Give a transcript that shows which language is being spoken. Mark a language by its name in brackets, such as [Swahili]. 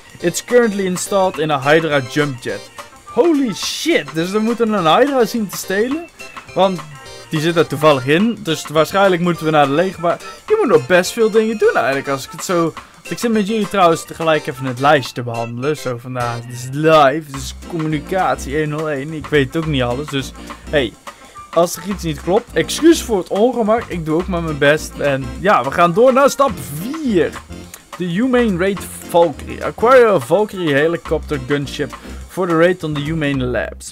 [English] It's currently installed in a Hydra jump jet. Holy shit, [Dutch] dus we moeten een Hydra zien te stelen. Want die zit er toevallig in. Dus waarschijnlijk moeten we naar de legerbaan. Je moet nog best veel dingen doen eigenlijk. Als ik het zo... Want ik zit met jullie trouwens tegelijk even het lijstje te behandelen. Zo vandaag. Het is live. Het is communicatie 101. Ik weet ook niet alles. Dus hey, als er iets niet klopt, excuus voor het ongemak. Ik doe ook maar mijn best. En ja, we gaan door naar stap 4. [English] The Humane Raid Valkyrie. Acquire a Valkyrie helicopter gunship for the raid on the Humane Labs.